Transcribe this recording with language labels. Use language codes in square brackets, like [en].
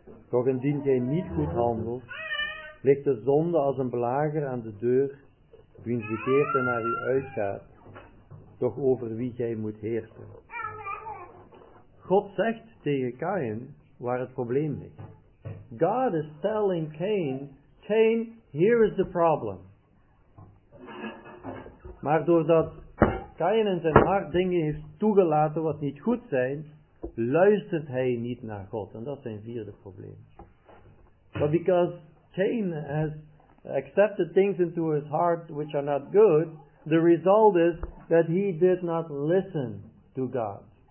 [nl] Doch indien gij niet goed handelt, ligt de zonde als een belager aan de deur, wiens begeerte naar u uitgaat, doch over wie gij moet heersen. God zegt tegen Caïn waar het probleem ligt. [en] God is telling Caïn, Caïn, here is the problem. [nl] Maar doordat Caïn in zijn hart dingen heeft toegelaten wat niet goed zijn, luistert hij niet naar God. En dat is zijn vierde probleem. [en] But because Caïn has accepted things into his heart which are not good, the result is that he did not listen to God.